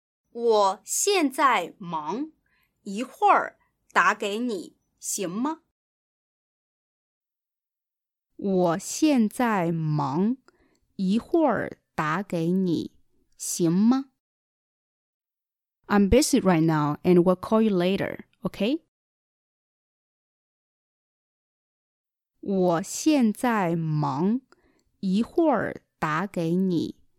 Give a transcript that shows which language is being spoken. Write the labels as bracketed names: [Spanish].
[Chinese] 我现在忙，一会儿打给你，行吗？我现在忙，一会儿打给你，行吗 ？ [English] I'm busy right now, and we'll call you later. Okay? [Chinese] 我现在忙，一会儿打给你。